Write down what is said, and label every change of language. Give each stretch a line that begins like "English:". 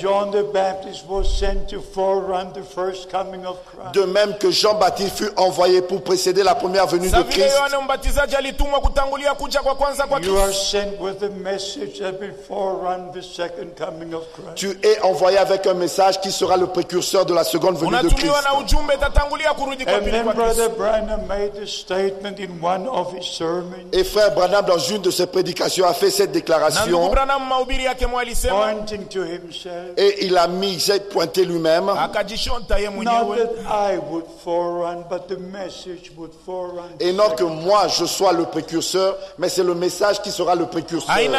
English: John the Baptist was sent to forerun the first coming of Christ.
French: De même que Jean-Baptiste fut envoyé pour précéder la première venue de Christ.
English: You are sent with a message that will forerun the second coming of Christ.
French: Tu es envoyé avec un message qui sera le précurseur de la seconde venue de Christ.
English: And then Brother Branham made a statement in one of his sermons.
French: Et frère Branham, dans une de ses prédications, a fait cette déclaration.
English: Pointing to himself.
French: Et il a mis, il s'est pointé lui-même.
English: Not that I would forerun, but the message would forerun.
French: Et non que moi je sois le précurseur, mais c'est le message qui sera le précurseur.